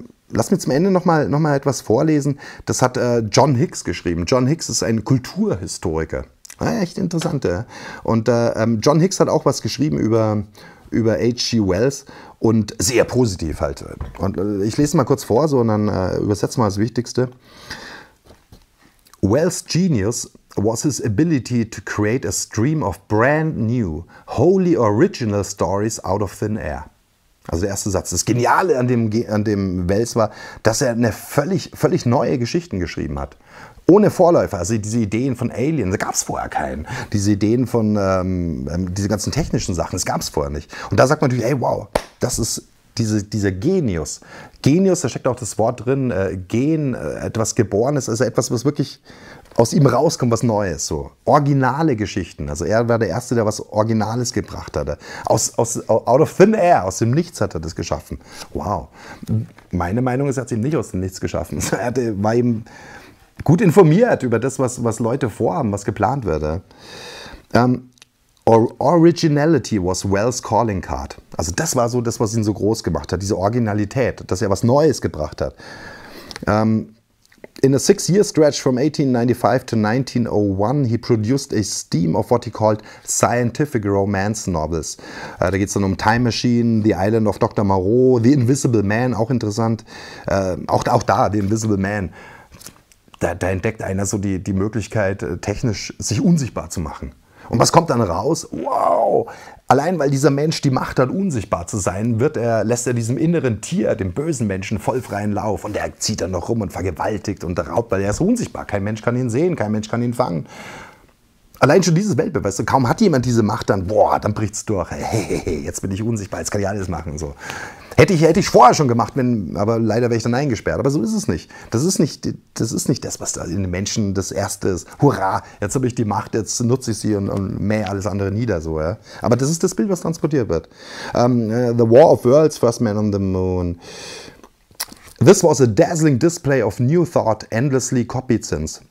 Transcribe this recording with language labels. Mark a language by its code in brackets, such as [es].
[de] Lass mich zum Ende noch mal etwas vorlesen. Das hat John Hicks geschrieben. John Hicks ist ein Kulturhistoriker. Ja, echt interessant. Ja. Und John Hicks hat auch was geschrieben über H.G. Wells und sehr positiv halt. Und ich lese mal kurz vor, so, und dann übersetze mal das Wichtigste. [en] Wells' Genius was his ability to create a stream of brand new, wholly original stories out of thin air. [de] Also der erste Satz. Das Geniale an dem Wells war, dass er eine völlig neue Geschichten geschrieben hat. Ohne Vorläufer, also diese Ideen von Alien, da gab es vorher keinen. Diese Ideen von, diese ganzen technischen Sachen, das gab es vorher nicht. Und da sagt man natürlich, ey, wow, das ist dieser Genius. Genius, da steckt auch das Wort drin, Gen, etwas Geborenes, also etwas, was wirklich aus ihm rauskommt, was Neues, so. Originale Geschichten, also er war der Erste, der was Originales gebracht hatte. [en] Out of thin air, [de] aus dem Nichts hat er das geschaffen. Wow. Meine Meinung ist, er hat es eben nicht aus dem Nichts geschaffen. Er war eben gut informiert über das, was Leute vorhaben, was geplant wird. [en] Originality was Wells' calling card. [de] Also das war so das, was ihn so groß gemacht hat, diese Originalität, dass er was Neues gebracht hat. [en] In a six-year stretch from 1895 to 1901, he produced a stream of what he called scientific romance novels. [de] Da geht es dann um Time Machine, The Island of Dr. Moreau, The Invisible Man, auch interessant. Auch da, The Invisible Man. Da entdeckt einer so die Möglichkeit, technisch sich unsichtbar zu machen. Und was kommt dann raus? Wow! Allein weil dieser Mensch die Macht hat, unsichtbar zu sein, lässt er diesem inneren Tier, dem bösen Menschen, voll freien Lauf. Und er zieht dann noch rum und vergewaltigt und raubt, weil er ist unsichtbar. Kein Mensch kann ihn sehen, kein Mensch kann ihn fangen. Allein schon dieses Weltbild, weißt du, kaum hat jemand diese Macht, dann bricht's durch. Hey, jetzt bin ich unsichtbar, jetzt kann ich alles machen. So. Hätte ich vorher schon gemacht, aber leider wäre ich dann eingesperrt. Aber so ist es nicht. Das ist nicht das, was da in den Menschen das Erste ist. Hurra, jetzt habe ich die Macht, jetzt nutze ich sie und mähe alles andere nieder. So, ja. Aber das ist das Bild, was transportiert wird. The War of Worlds, First Man on the Moon. [en] This was a dazzling display of new thought endlessly copied since.